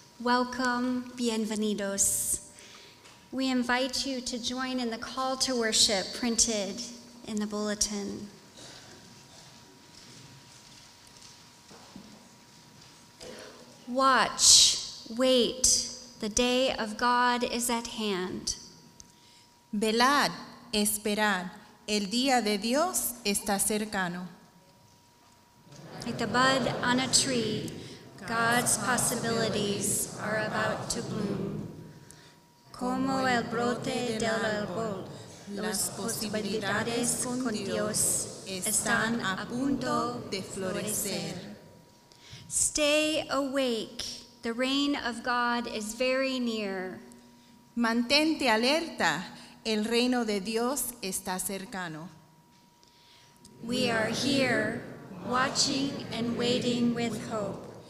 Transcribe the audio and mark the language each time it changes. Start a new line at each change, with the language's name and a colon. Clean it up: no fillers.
English: Welcome,
Spanish: bienvenidos.
English: We invite you to join in the call to worship printed in the bulletin. Watch, wait, the day of God is at hand.
Spanish: Velad, esperad, el día de Dios está cercano.
English: Like the bud on a tree, God's possibilities are about to bloom.
Spanish: Como el brote del árbol, las posibilidades con Dios están a punto de florecer.
English: Stay awake, the reign of God is very near.
Spanish: Mantente alerta, el reino de Dios está cercano.
English: We are here, watching and waiting with hope.